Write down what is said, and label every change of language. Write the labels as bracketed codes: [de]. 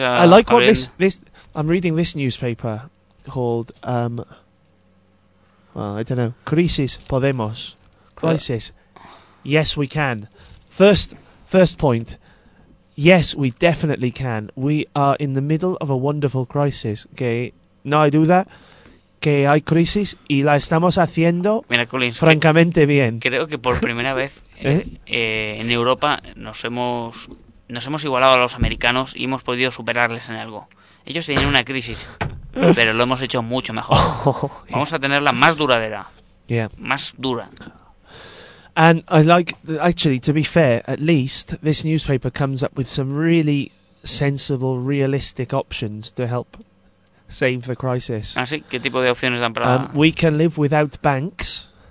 [en] I like what this... I'm reading this newspaper called... well, I don't know. Crisis Podemos. Crisis. Yes, we can. First point. Yes, we definitely can. We are in the middle of a wonderful crisis. [es] Que no hay duda que hay crisis y la estamos haciendo. Mira, Collins, francamente que, bien. Creo que por primera vez... en Europa nos hemos igualado a los americanos y hemos podido superarles en algo. Ellos tenían una crisis, pero lo hemos hecho mucho mejor. Oh, vamos a tenerla más duradera. [en] Yeah. [es] Más dura. [en] And I like, actually, to be fair, at least this newspaper comes up with some really sensible, realistic options to help save the crisis. [es] ¿Ah, sí? ¿Qué tipo de opciones dan para...? [en] We can live without banks.